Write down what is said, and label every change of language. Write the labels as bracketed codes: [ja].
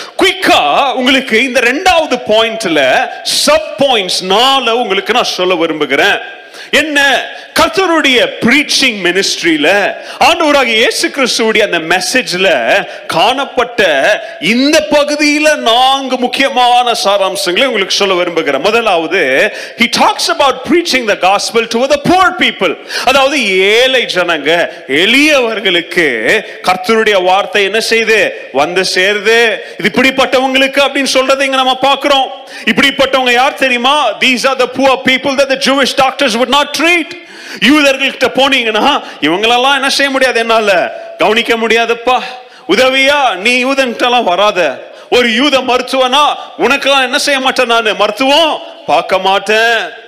[ta] குயிக்கா உங்களுக்கு இந்த ரெண்டாவது பாயிண்ட்ல சப் பாயிண்ட்ஸ் நாள உங்களுக்கு நான் சொல்ல விரும்புகிறேன். என்ன கர்த்தருடைய பிரீச்சிங் மினிஸ்ட்ரியில ஆண்டவராக இயேசு கிறிஸ்துவுடைய அந்த மெசேஜ்ல காணப்பட்ட இந்த பகுதியில நான்கு முக்கியமான சாராம்சங்களை உங்களுக்கு சொல்ல விரும்புகிறேன். முதலாவது, [en] he talks about preaching the gospel to the poor people. [ta] அதாவது ஏழை ஜனங்க எளியவர்களுக்கு கர்த்தருடைய வார்த்தை என்ன செய்து வந்து சேருது, இப்படிப்பட்டவங்களுக்கு அப்படின்னு சொல்றதை இங்க நம்ம பாக்குறோம். இப்படிப்பட்டவங்க யார் தெரியுமா, [en] these are the poor people that the Jewish doctors would not treat. [ta] யூதர்கள்கிட்ட போனீங்கன்னா இவங்களெல்லாம் என்ன செய்ய முடியாது, என்னால கவனிக்க முடியாதுப்பா, உதவியா நீ யூதன்கிட்டலாம் வராத, ஒரு யூத மருத்துவனா உனக்கெல்லாம் என்ன செய்ய மாட்டேன், நான் மருத்துவம் பார்க்க மாட்டேன்.